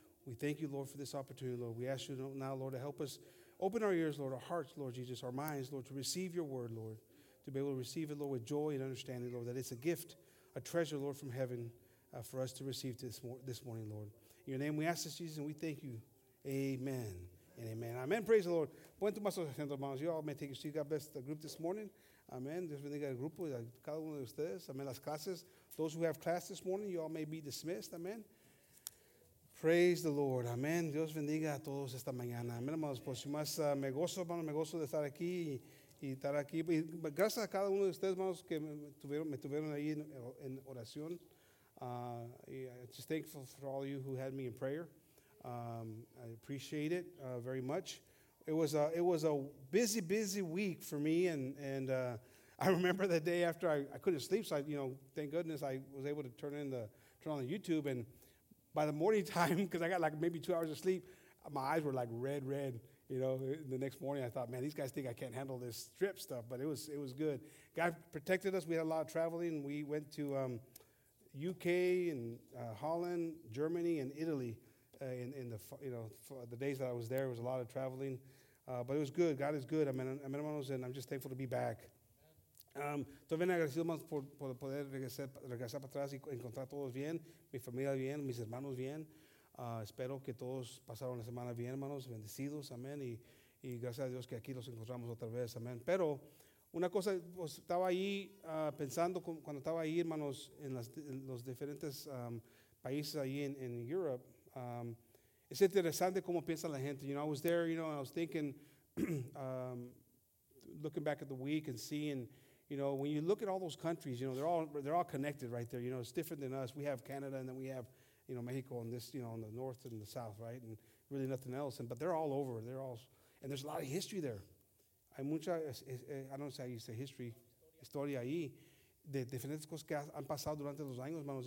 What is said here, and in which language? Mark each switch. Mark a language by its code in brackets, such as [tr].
[en] We thank you, Lord, for this opportunity, Lord. We ask you now, Lord, to help us open our ears, Lord, our hearts, Lord Jesus, our minds, Lord, to receive your word, Lord, to be able to receive it, Lord, with joy and understanding, Lord, that it's a gift, a treasure, Lord, from heaven for us to receive this morning, Lord. In your name we ask this, Jesus, and we thank you. Amen. And amen. Amen. Praise the Lord. [es] Puente más gente, hermanos. [en] You all may take your seat. God bless the group this morning. Amen. [es] Dios bendiga el grupo y a cada uno de ustedes. Amen. Las clases. [en] Those who have class this morning, you all may be dismissed. Amen. Praise the Lord. Amen. [es] Dios bendiga a todos esta mañana. Amen, hermanos. Pues, más me gozo, hermano, me gozo de estar aquí y estar aquí. Y gracias a cada uno de ustedes, hermanos, que me tuvieron ahí en oración. [en] Yeah, just thankful for all you who had me in prayer. I appreciate it very much. It was a busy week for me, and I remember the day after I couldn't sleep. So I, you know, thank goodness I was able to turn on the YouTube, and by the morning time, because I got like maybe 2 hours of sleep, my eyes were like red. You know, the next morning I thought, man, these guys think I can't handle this trip stuff, but it was good. God protected us. We had a lot of traveling. We went to UK and Holland, Germany, and Italy. In the days that I was there, it was a lot of traveling, but it was good. God is good. Amen, hermanos, and I'm just thankful to be back. [es] También agradecido más por poder regresar para atrás y encontrar todos bien, mi familia bien, mis hermanos bien. Espero que todos pasaron la semana bien, hermanos, bendecidos, amén, y gracias a Dios que aquí los encontramos otra vez, amén. Pero una cosa, pues, estaba ahí pensando cuando estaba ahí, hermanos, en los diferentes países ahí en Europe. Es interesante cómo piensa la gente. [en] You know, I was there, you know, and I was thinking, looking back at the week and seeing, you know, when you look at all those countries, you know, they're all connected right there. You know, it's different than us. We have Canada, and then we have, you know, Mexico, and this, you know, in the north and the south, right? And really nothing else. But they're all over. They're all, and there's a lot of history there. [es] Hay mucha, [en] I don't know how you say history, [es] historia ahí. De diferentes cosas que han pasado durante los años, hermanos.